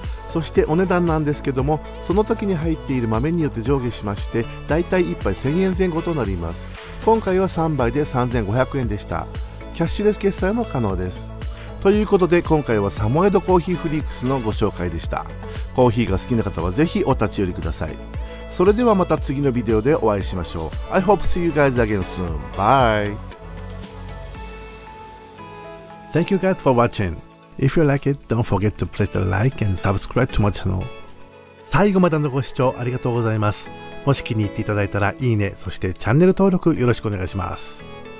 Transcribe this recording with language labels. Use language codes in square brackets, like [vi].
[ja] そしてお値段なんですけども、その時に入っている豆によって上下しまして、だいたい1杯1000円前後となります。今回は3杯で3500円でした。キャッシュレス決済も可能です。ということで今回はサモエドコーヒーフリークスのご紹介でした。コーヒーが好きな方はぜひお立ち寄りください。それではまた次のビデオでお会いしましょう。 [en] I hope see you guys again soon. Bye. Thank you guys for watching. If you like it, don't forget to press the like and subscribe to my channel. [ja] 最後までのご視聴ありがとうございます。もし気に入っていただいたらいいね、そしてチャンネル登録よろしくお願いします。